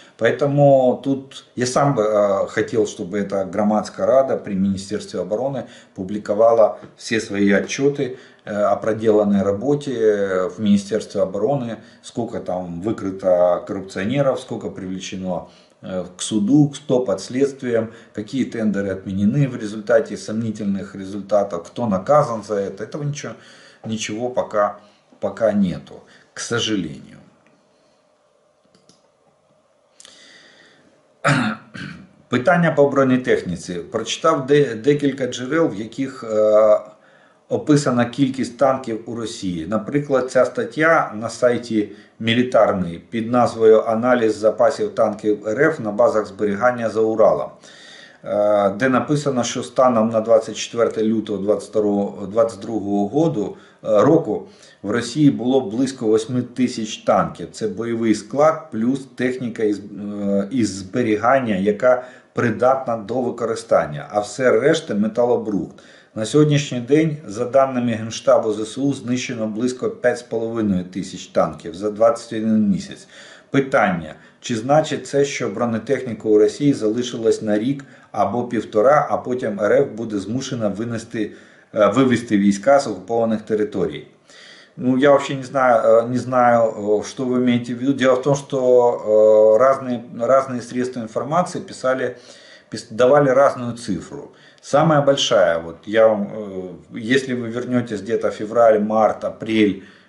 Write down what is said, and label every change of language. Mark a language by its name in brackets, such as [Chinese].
[Russian] Поэтому тут я сам хотел, чтобы эта громадская рада при Министерстве обороны публиковала все свои отчеты о проделанной работе в Министерстве обороны, сколько там выкрыто коррупционеров, сколько привлечено к суду, кто под следствием, какие тендеры отменены в результате сомнительных результатов, кто наказан за это. Этого ничего пока нету, к сожалению. [Ukrainian] Питання по бронетехніці. Прочитав декілька джерел, в яких описана кількість танків у Росії. Наприклад, ця стаття на сайті «Мілітарний» під назвою «Аналіз запасів танків РФ на базах зберігання за Уралом», де написано, що станом на 24 лютого 2022 року в Росії було близько 8 тисяч танків. Це бойовий склад плюс техніка із зберігання, яка придатна до використання, а все решта – металобрухт. На сьогоднішній день, за даними Генштабу ЗСУ, знищено близько 5,5 тисяч танків за 21 місяць. Питання, чи значить це, що бронетехніка у Росії залишилась на рік або півтора, а потім РФ буде змушена вивести війська з окупованих територій? [Russian] Ну, я вообще не знаю, что вы имеете в виду. Дело в том, что разные средства информации давали разную цифру. Самая большая, вот если вы вернетесь где-то февраль, март, апрель